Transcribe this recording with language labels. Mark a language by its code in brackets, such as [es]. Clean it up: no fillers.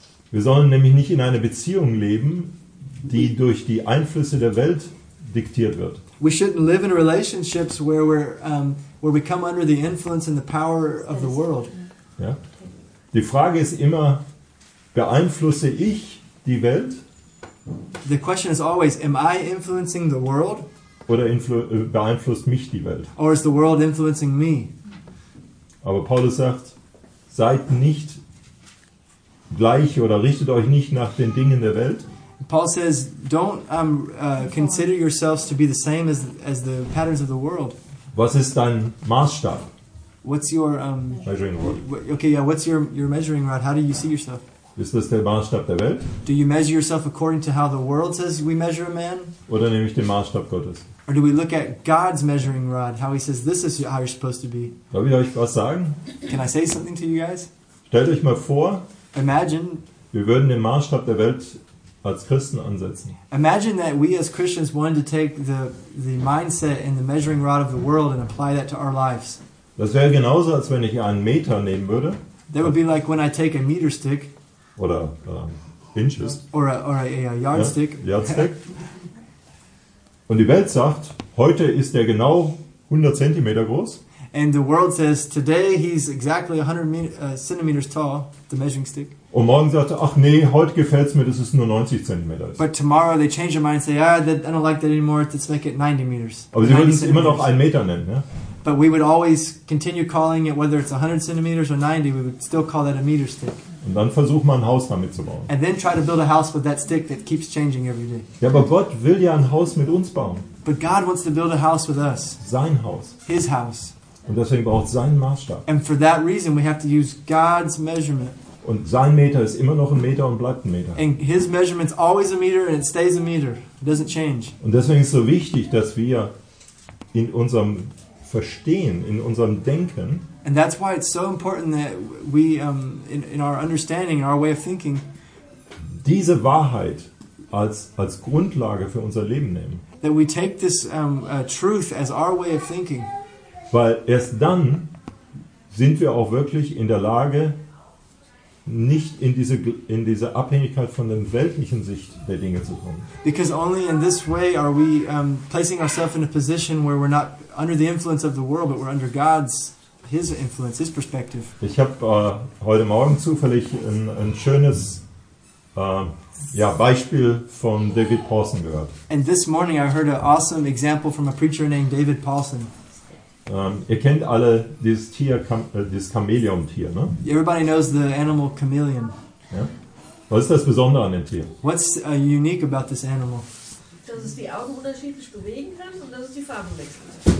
[de] Wir sollen nämlich nicht in einer Beziehung leben, die durch die Einflüsse der Welt diktiert wird. [en] We shouldn't live in relationships where we're where we come under the influence and the power of the world. [de] Ja. Die Frage ist immer, beeinflusse ich die Welt? [en] The question is always, am I influencing the world? [de] Oder beeinflusst mich die Welt? [en] Or is the world influencing me? [de] Aber Paulus sagt, seid nicht gleich oder richtet euch nicht nach den Dingen der Welt. [en] Paul says, don't consider yourselves to be the same as the patterns of the world. [de] Was ist dein Maßstab? [en] What's your measuring rod? Okay, yeah. What's your measuring rod? How do you see yourself? [de] Ist das der Maßstab der Welt? [en] Do you measure yourself according to how the world says we measure a man? [de] Oder nehme ich den Maßstab Gottes? [en] Or do we look at God's measuring rod? How he says this is how you're supposed to be. [de] Darf ich euch was sagen? [en] Can I say something to you guys? [de] Stellt euch mal vor. [en] Imagine. [de] Wir würden den Maßstab der Welt als Christen ansetzen. [en] Imagine that we as Christians wanted to take the mindset and the measuring rod of the world and apply that to our lives. [de] Das wäre genauso, als wenn ich einen Meter nehmen würde. [en] That would be like when I take a meter stick. [de] Oder inches. [en] Or a yardstick. Yardstick. [de] Und die Welt sagt, heute ist er genau 100 cm groß. [en] And the world says, today he's exactly 100 centimeters tall, the measuring stick. [de] Und morgen sagt er, ach nee, heute gefällt's mir, das ist nur 90 cm. [en] But tomorrow they change their mind and say, I don't like that anymore, let's make it 90 meters. [de] Aber sie würden es immer noch einen Meter nennen, ja? [en] But we would always continue calling it, whether it's 100 centimeters or 90, we would still call that a meter stick. [de] Und dann versucht man ein Haus damit zu bauen. [en] And then try to build a house with that stick that keeps changing every day. [de] Ja, aber Gott will ja ein Haus mit uns bauen. [en] But God wants to build a house with us. [de] Sein Haus. [en] His house. [de] Und deswegen braucht seinen Maßstab. [en] And for that reason we have to use God's measurement. [de] Und sein Meter ist immer noch ein Meter und bleibt ein Meter. [en] And his measurement's always a meter and it stays a meter. It doesn't change. [de] Und deswegen ist so wichtig, dass wir in unserem Verstehen, in unserem Denken, [en] and that's why it's so important that we in our understanding, in our way of thinking, [de] diese Wahrheit als Grundlage für unser Leben nehmen. [en] That we take this truth as our way of thinking. [de] Weil erst dann sind wir auch wirklich in der Lage, nicht in diese Abhängigkeit von der weltlichen Sicht der Dinge zu kommen. [en] Because only in this way are we placing ourselves in a position where we're not under the influence of the world, but we're under God's, his influence, his perspective. [de] Ich habe heute Morgen zufällig ein schönes Beispiel von David Paulson gehört. [en] And this morning I heard an awesome example from a preacher named David Paulson. [de] Ihr kennt alle dieses Tier, dieses Chamäleon-Tier, ne? [en] Everybody knows the animal chameleon. [de] Ja? Was ist das Besondere an dem Tier? [en] What's unique about this animal? [de] Dass es die Augen unterschiedlich bewegen kann und dass es die Farben wechselt.